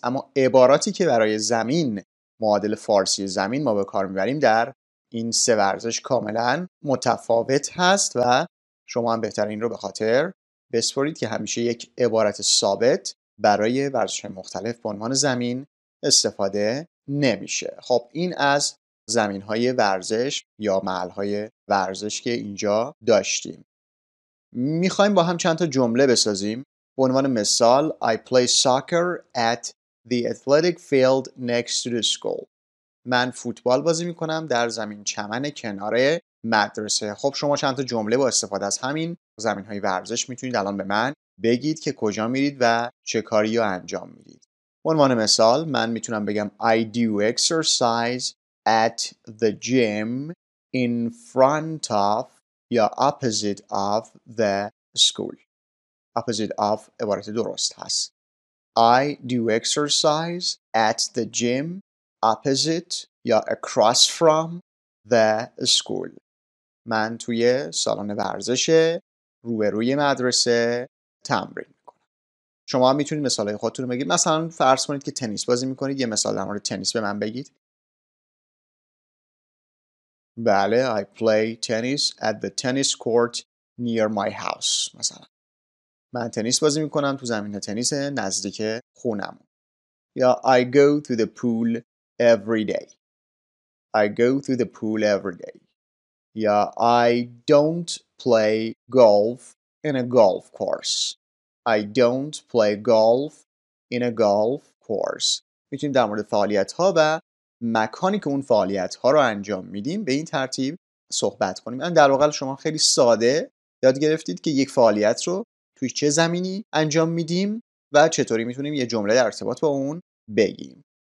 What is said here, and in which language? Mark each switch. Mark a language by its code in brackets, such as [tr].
[fa] اما عباراتی که برای زمین معادل فارسی زمین ما به کار میبریم در این سه ورزش کاملا متفاوت هست و شما هم بهتر این رو به خاطر بسپرید که همیشه یک عبارت ثابت برای ورزش مختلف به عنوان زمین استفاده نمیشه. خب این از زمین های ورزش یا محل های ورزش که اینجا داشتیم. میخواییم با هم چند تا جمله بسازیم. به عنوان مثال [en] I play soccer at the athletic field next to the school. [fa] من فوتبال بازی میکنم در زمین چمن کنار مدرسه. خب شما چند تا جمله با استفاده از همین زمین های ورزش میتونید الان به من بگید که کجا میرید و چه کاری رو انجام میدید. به عنوان مثال من میتونم بگم [en] I do exercise at the gym in front of یا opposite of the school. Opposite of [fa] عبارت درست هست. [en] I do exercise at the gym opposite یا across from the school. [fa] من توی سالن ورزش روبروی مدرسه تمرین میکنم. شما هم میتونید مثالای خودتون رو بگید. مثلا فرض کنید که تنیس بازی میکنید، یه مثال در مورد تنیس به من بگید. [en] بله، I play tennis at the tennis court near my house. [fa] مثلا من تنیس بازی میکنم تو زمین تنیس نزدیک خونم. [en] یا I go to the pool every day. I go to the pool every day. یا I don't play golf in a golf course. I don't play golf in a golf course. [fa] میتونیم در مورد فعالیت‌ها و مکانی که اون فعالیت‌ها رو انجام میدیم به این ترتیب صحبت کنیم. من در واقع شما خیلی ساده یاد گرفتید که یک فعالیت رو توی چه زمینی انجام میدیم و چطوری میتونیم یه جمله در ارتباط با اون بگیم.